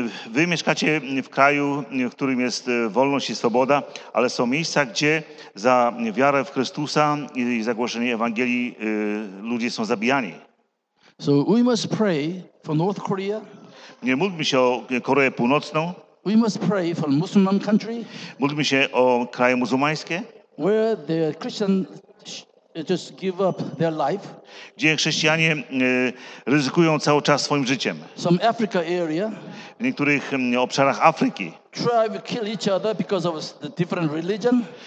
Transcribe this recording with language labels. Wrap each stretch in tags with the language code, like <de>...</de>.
<pl>Wy mieszkacie w kraju, w którym jest wolność i swoboda, ale są miejsca, gdzie za wiarę w Chrystusa i za głoszenie Ewangelii ludzie są zabijani.</pl> <en>So we must pray for North Korea.</en> <pl>Nie módlmy się o Koreę Północną.</pl> <en>We must pray for Muslim country.</en> <pl>Módlmy się o kraje muzułmańskie.</pl> <en>Where the Christians just give up their life.</en> <pl>Gdzie chrześcijanie ryzykują cały czas swoim życiem.</pl> <en>Some Africa area.</en> <pl>w niektórych obszarach Afryki.</pl> <en>Tribes kill each other because of the different religion.</en>